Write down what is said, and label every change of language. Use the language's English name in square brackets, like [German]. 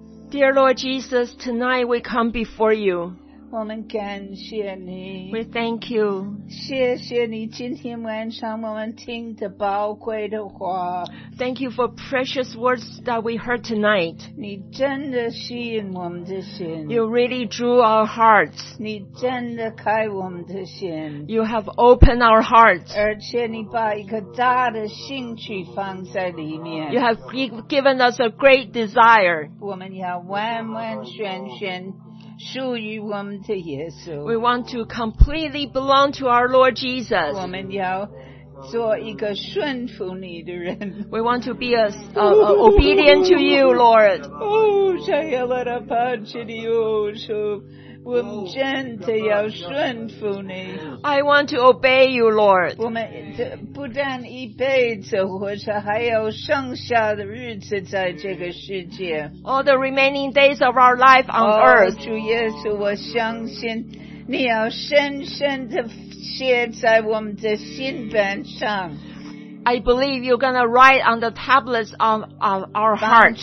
[English] Dear Lord Jesus, tonight we come before you. We thank you. [Chinese] 谢谢你今天晚上我们听的宝贵的话。 [English] Thank you for precious words that we heard tonight. [Chinese] 你真的吸引我们的心。 [English] You really drew our hearts. [Chinese] 你真的开我们的心。 [English] You have opened our hearts. [Chinese] 而且你把一个大的兴趣放在里面。 [English] You have given us a great desire. [Chinese] 我们要完完全全 [English] We want to completely belong to our Lord Jesus. We want to be obedient to you, Lord. [Chinese] 我们真的要顺服你。 [English] I want to obey you, Lord. [Chinese] 我们不但一辈子活着，还有剩下的日子在这个世界。 [English] All the remaining days of our life on earth. [Chinese] 主耶稣，我相信你要深深地写在我们的心板上。 [English] I believe you're going to write on the tablets of our hearts.